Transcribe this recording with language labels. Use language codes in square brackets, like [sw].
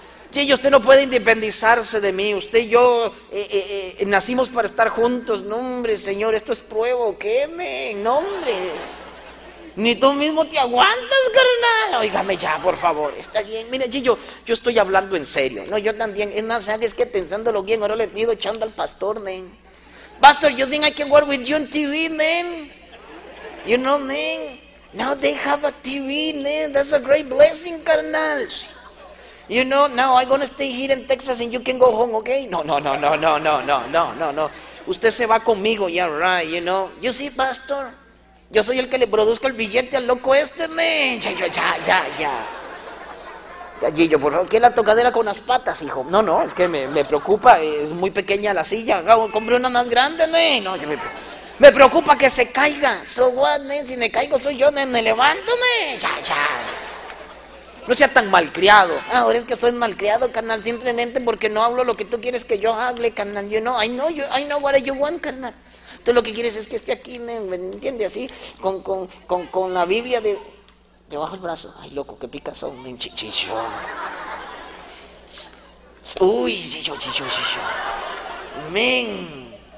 [es] Chillo, usted no puede independizarse de mí. Usted y yo nacimos para estar juntos. No, hombre, señor, esto es prueba, ¿qué, me? No, hombre. Ni tú mismo te aguantas, carnal. Óigame ya, por favor. Está bien. Mira, Chillo, yo estoy hablando en serio. No, yo también. Es más, sabes que pensándolo bien, ahora le pido chanda al pastor, men. [en] Pastor, you think I can work with you on TV, men? You know, men. Now they have a TV, men. That's a great blessing, carnal. You know, now I'm gonna stay here in Texas and you can go home, okay? [es] No, no, no, no, no, no, no, no, no, no. Usted se va conmigo, [en] yeah, right, you know. You see, pastor? [es] Yo soy el que le produzco el billete al loco este, men. Ya, ya, ya, ya. Ya, Gillo, por favor, ¿qué es la tocadera con las patas, hijo? No, no, es que me preocupa, es muy pequeña la silla. Compré una más grande, men. No, ya me preocupa que se caiga. [en] So what, [es] men, si me caigo soy yo, men, me levanto, men. Ya, ya. No sea tan malcriado. Ahora es que soy malcriado, carnal, simplemente porque no hablo lo que tú quieres que yo hable, carnal. [en] You know, I know what you want, carnal. [es] Tú lo que quieres es que esté aquí, ¿me entiendes? Así, con la Biblia debajo del brazo. Ay, loco, qué picazón, men, chichillo. Uy, chichillo. Men.